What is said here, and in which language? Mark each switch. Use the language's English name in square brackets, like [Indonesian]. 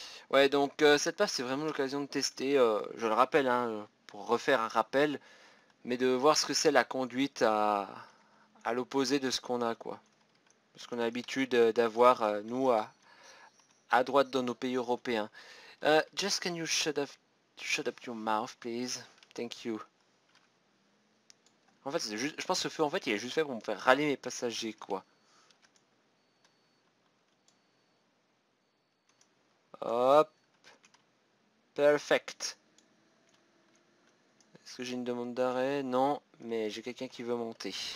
[French] Ouais, donc cette passe, c'est vraiment l'occasion de tester, je le rappelle, hein, pour refaire un rappel, mais de voir ce que c'est la conduite à l'opposé de ce qu'on a, quoi. Ce qu'on a l'habitude d'avoir, nous, à droite dans nos pays européens. [English] Just can you shut up your mouth, please? Thank you. [French] En fait, c'est juste, je pense que ce feu, en fait, il est juste fait pour me faire râler mes passagers, quoi. [English] Hop. Perfect. [French] Est-ce que j'ai une demande d'arrêt? Non, mais j'ai quelqu'un qui veut monter.